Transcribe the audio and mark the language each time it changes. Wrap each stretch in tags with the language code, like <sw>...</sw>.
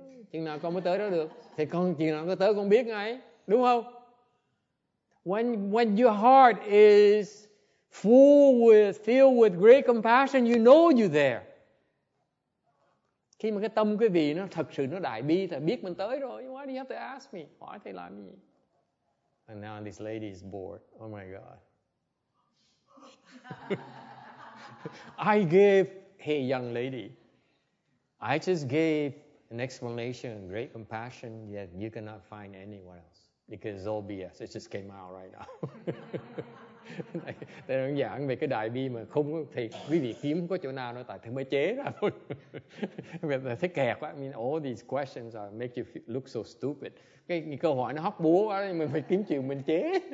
<vi>Chừng nào con mới tới đó được. Thì con chừng nào con tới con biết ngay. Đúng không?</vi> <en>When your heart is filled with great compassion, you know you're there.</en> <vi>Khi mà cái tâm quý vị nó thật sự nó đại bi, thì biết mình tới rồi.</vi> <en>Why do you have to ask me?</en> <vi>Hỏi thầy làm gì?</vi> <en>And now this lady is bored. Oh my God. I gave, hey young lady, I just gave an explanation of great compassion, yet you cannot find anyone else. Because it's all BS. It just came out right now.</en> <vi>Thầy đang giảng về cái đại bi mà không có thầy, quý vị kiếm có chỗ nào nữa, tại thầy mới chế ra thôi. Thấy kẹt quá.</vi> <en>I mean, all these questions are make you look so stupid.</en> <vi>Cái câu hỏi nó hóc búa quá, mình phải kiếm chuyện mình chế.</vi>